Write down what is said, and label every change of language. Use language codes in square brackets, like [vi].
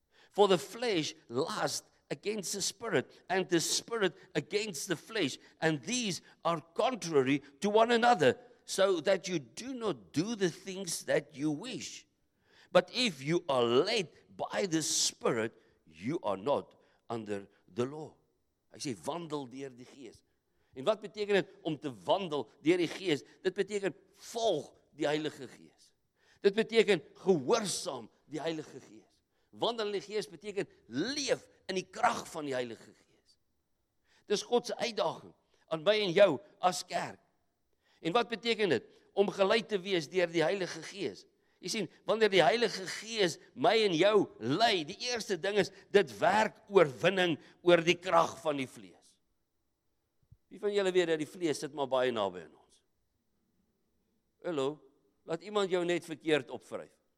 [en] For the flesh lust against the spirit and the spirit against the flesh. And these are contrary to one another. So that you do not do the things that you wish. But if you are led by the Spirit, you are not under the law. [af] Hy sê, wandel deur die gees. En wat beteken dit om te wandel deur die gees? Dit beteken, volg die Heilige Gees. Dit beteken, gehoorsaam die Heilige Gees. Wandel in die gees beteken, leef in die krag van die Heilige Gees. Dis God se uitdaging. aan my en jou as kerk. En wat beteken dit? Om gelei te wees deur die Heilige Gees. Jy sien, wanneer die Heilige Gees my en jou lei, die eerste ding is, dit werk oorwinning oor die krag van die vlees. Wie van julle weet dat die vlees sit maar baie naby in ons? Hallo, laat iemand jou net verkeerd opwryf.